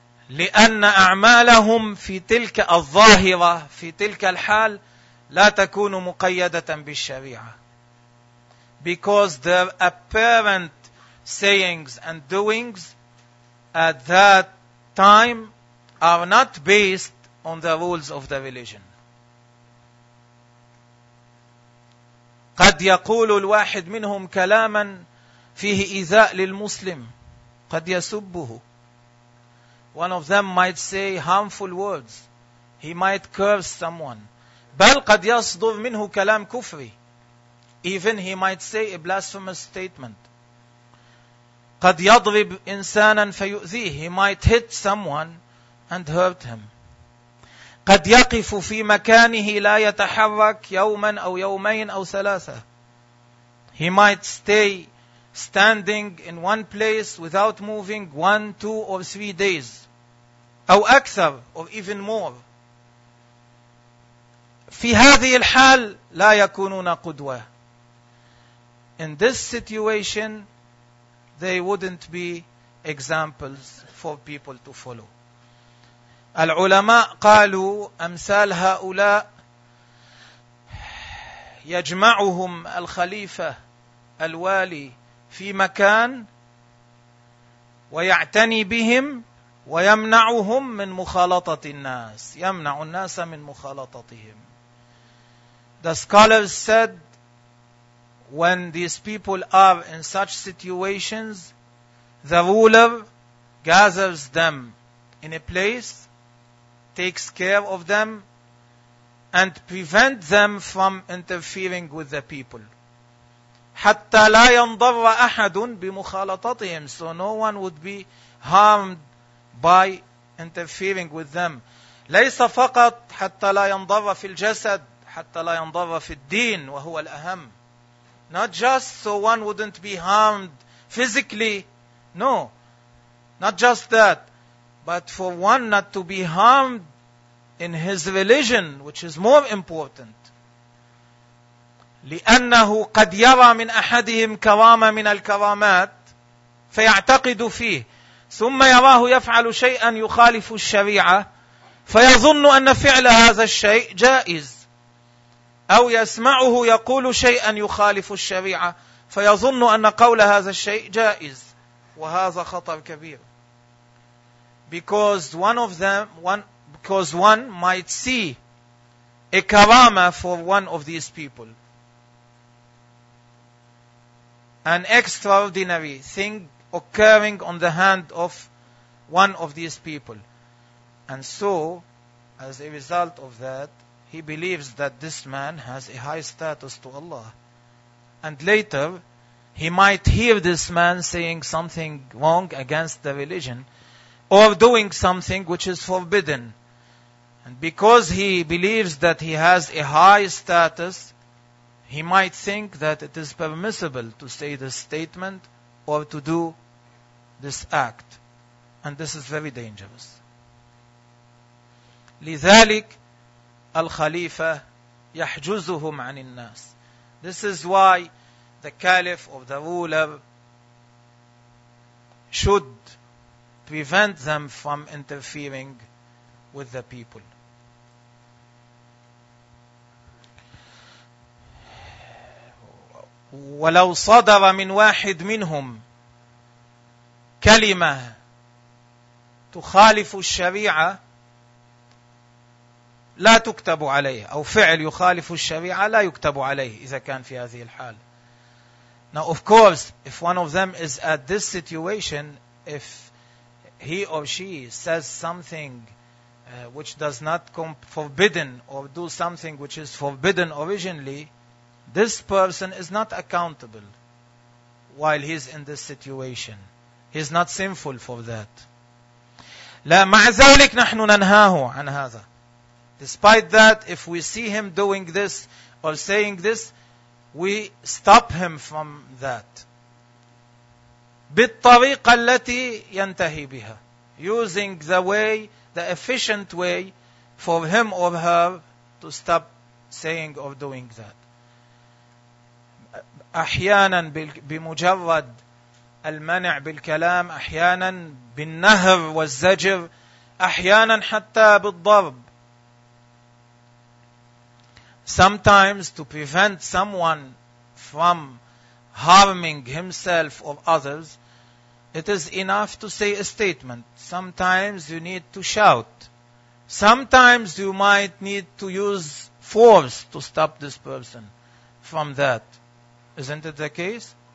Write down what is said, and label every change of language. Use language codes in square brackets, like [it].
[ar] لأن أعمالهم في تلك الظاهرة في تلك الحال لا تكون مقيدة بالشريعة. [en] Because their apparent sayings and doings at that time are not based on the rules of the religion. [ar] قد يقول الواحد منهم كلاما فيه إيذاء للمسلم قد يسبه. [en] One of them might say harmful words. He might curse someone. [ar] بل قد يصدر منه كلام كفري. [en] Even he might say a blasphemous statement. [ar] قد يضرب إنسانا فيؤذيه. [en] He might hit someone and hurt him. [ar] قد يقف في مكانه لا يتحرك يوما أو يومين أو ثلاثة. [en] He might stay standing in one place without moving 1, 2, or 3 days. [ar] أو أكثر, [en] or even more. [ar] في هذه الحال لا يكونون قدوة. [en] In this situation, they wouldn't be examples for people to follow. [ar] العلماء قالوا أمثال هؤلاء يجمعهم الخليفة الوالي في مكان ويعتني بهم ويمنعهم من مخالطة الناس. يمنع الناس من مخالطتهم. [en] The scholars said, when these people are in such situations, the ruler gathers them in a place, takes care of them, and prevents them from interfering with the people. [ar] حَتَّى لَا يَنْضَرَّ أَحَدٌ بِمُخَالَطَتِهِمْ. [en] So no one would be harmed by interfering with them. [ar] لَيْسَ فَقَطْ حَتَّى لَا يَنْضَرَّ فِي الْجَسَدِ حَتَّى لَا يَنْضَرَّ فِي الدِّينِ وَهُوَ الْأَهَمْ. [en] Not just so one wouldn't be harmed physically. No. Not just that. But for one not to be harmed in his religion, which is more important. [ar] لأنه قد يرى من أحدهم كرامة من الكرامات فيعتقد فيه ثم يراه يفعل شيئا يخالف الشريعة فيظن أن فعل هذا الشيء جائز. أو يسمعه يقول شيئا يخالف الشريعة فيظن أن قول هذا الشيء جائز. وهذا خطر كبير. [en] Because one of them, because one might see a karama for one of these people. An extraordinary thing occurring on the hand of one of these people. And so, as a result of that, he believes that this man has a high status to Allah. And later, he might hear this man saying something wrong against the religion or doing something which is forbidden. And because he believes that he has a high status, he might think that it is permissible to say this statement or to do this act. And this is very dangerous. [ar] لذلك الخليفة يحجزهم عن الناس. [en] This is why the caliph or the ruler should prevent them from interfering with the people. [ar] ولو صدر من واحد منهم كلمة تخالف الشريعة لا تكتب عليه، أو فعل يخالف الشريعة لا يكتب عليه إذا كان في هذه الحال. [en] Now of course, if one of them is at this situation, if he or she says something which does not come forbidden or do something which is forbidden originally, this person is not accountable while he is in this situation. He is not sinful for that. [ar] لا مع ذلك نحن ننهاه عن هذا. [en] Despite that, if we see him doing this or saying this, we stop him from that. [ar] بالطريقة التي ينتهي بها. [en] Using the way, the efficient way for him or her to stop saying or doing that. [ar] أحيانا بمجرد المنع بالكلام، أحيانا بالنهر والزجر، أحيانا حتى بالضرب. [en] Sometimes to prevent someone from harming himself or others, it is enough to say a statement. Sometimes you need to shout. Sometimes you might need to use force to stop this person from that. Isn't it the case?